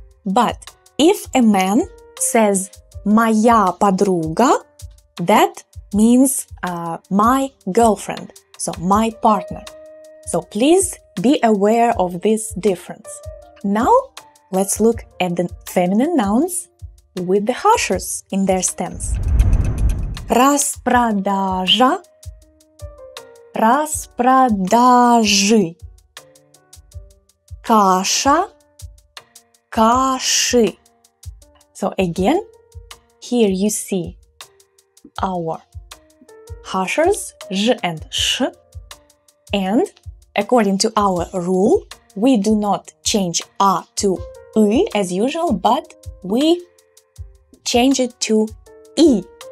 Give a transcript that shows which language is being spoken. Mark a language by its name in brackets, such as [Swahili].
[English] But if a man says [Russian] моя подруга, [English] that means my girlfriend, so my partner. So please be aware of this difference. Now let's look at the feminine nouns with the harshers in their stems. [Russian] Распродажа, распродажи, каша, каши. [English] So again, here you see our harshers ж and ш, and according to our rule, we do not change а to ы as usual, but we change it to и.